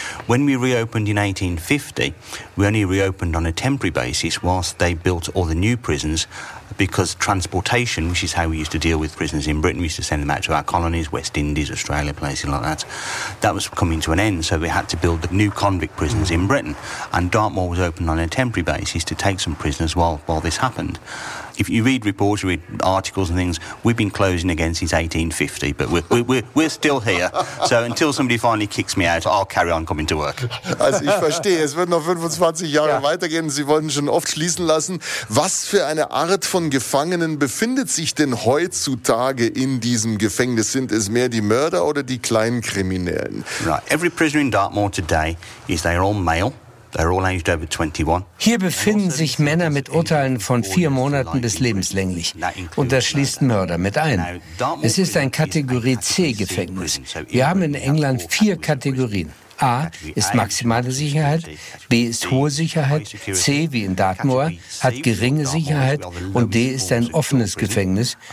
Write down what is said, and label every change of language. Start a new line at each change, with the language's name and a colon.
English: When we reopened in 1850, we only reopened on a temporary basis whilst they built all the new prisons, because transportation, which is how we used to deal with prisoners in Britain, we used to send them out to our colonies, West Indies, Australia, places like that, that was coming to an end, so we had to build the new convict prisons in Britain. And Dartmoor was opened on a temporary basis to take some prisoners while this happened. If you read reports, you read articles and things, we've been closing again since 1850, but we're still here. So until somebody finally kicks me out, I'll carry on coming to work.
German: Also ich verstehe, es wird noch 25 Jahre weitergehen. Sie wollen schon oft schließen lassen. Was für eine Art von Gefangenen befindet sich denn heutzutage in diesem Gefängnis? Sind es mehr die Mörder oder die Kleinkriminellen?
English: Right. Every prisoner in Dartmoor today is they're all male. They're all aged over 21.
German: Hier befinden sich Männer mit Urteilen von 4 Monaten bis lebenslänglich. Und das schließt Mörder mit ein. Es ist ein Kategorie-C-Gefängnis. Wir haben in England 4 Kategorien. A ist maximale Sicherheit, B ist hohe Sicherheit, C, wie in Dartmoor, hat geringe Sicherheit und D ist ein offenes Gefängnis.